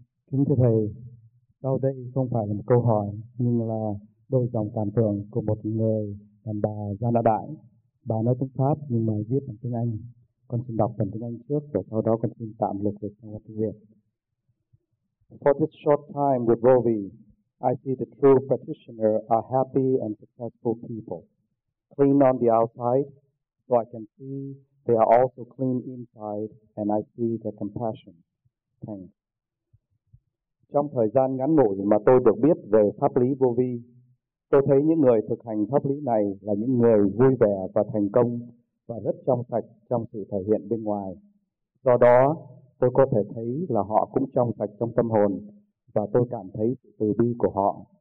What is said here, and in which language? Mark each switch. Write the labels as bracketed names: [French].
[Vietnamese] Kính thưa thầy, sau đây không phải là một câu hỏi nhưng là đôi dòng cảm tưởng của một người đàn bà Gia Na Đại. Bà nói tiếng Pháp nhưng mà viết bằng tiếng Anh. Con xin đọc phần tiếng Anh trước và sau đó con xin tạm lược dịch sang tiếng Việt. [English] For this short time with Rovi, I see the true practitioner are happy and successful people. Clean on the outside, so I can see they are also clean inside and I see their compassion. Thanks. [Vietnamese] Trong thời gian ngắn ngủi mà tôi được biết về pháp lý vô vi, tôi thấy những người thực hành pháp lý này là những người vui vẻ và thành công và rất trong sạch trong sự thể hiện bên ngoài. Do đó, tôi có thể thấy là họ cũng trong sạch trong tâm hồn và tôi cảm thấy sự từ bi của họ.